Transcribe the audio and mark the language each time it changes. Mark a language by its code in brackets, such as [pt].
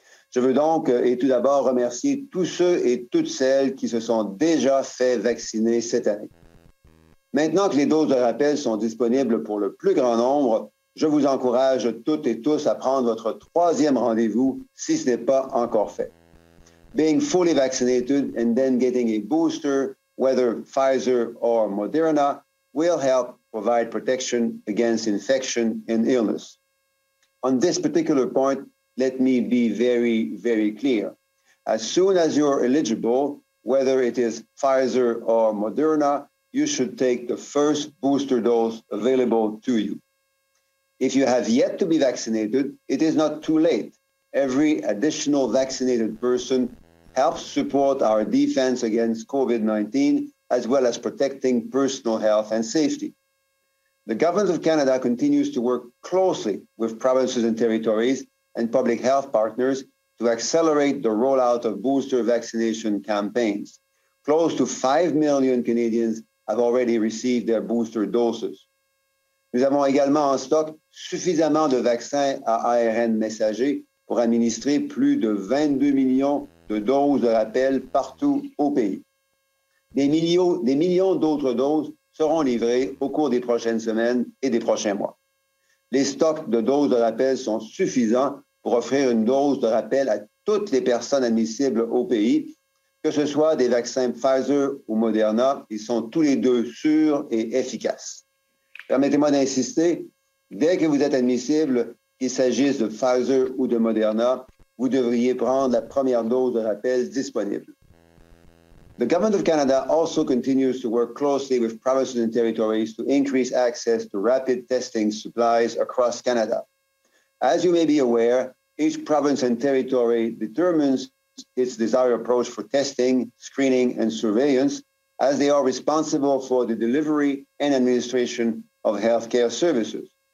[fr] Je veux donc et tout d'abord remercier tous ceux et toutes celles qui se sont déjà fait vacciner cette année. Maintenant que les doses de rappel sont disponibles pour le plus grand nombre, je vous encourage toutes et tous à prendre votre troisième rendez-vous si ce n'est pas encore fait. [en] Being fully vaccinated and then getting a booster, whether Pfizer or Moderna, will help provide protection against infection and illness. On this particular point, let me be very, very clear. As soon as you're eligible, whether it is Pfizer or Moderna, you should take the first booster dose available to you. If you have yet to be vaccinated, it is not too late. Every additional vaccinated person helps support our defense against COVID-19, as well as protecting personal health and safety. The Government of Canada continues to work closely with provinces and territories and public health partners to accelerate the rollout of booster vaccination campaigns. Close to 5 million Canadians have already received their booster doses. [fr] Nous avons également en stock suffisamment de vaccins à ARN messager pour administrer plus de 22 millions de doses de rappel partout au pays. Des millions d'autres doses seront livrées au cours des prochaines semaines et des prochains mois. Les stocks de doses de rappel sont suffisants pour offrir une dose de rappel à toutes les personnes admissibles au pays, que ce soit des vaccins Pfizer ou Moderna, ils sont tous les deux sûrs et efficaces. Permettez-moi d'insister, dès que vous êtes admissible, qu'il s'agisse de Pfizer ou de Moderna, vous devriez prendre la première dose de rappel disponible. [en] The Government of Canada also continues to work closely with provinces and territories to increase access to rapid testing supplies across Canada. As you may be aware, each province and territory determines its desired approach for testing, screening, and surveillance, as they are responsible for the delivery and administration of healthcare services.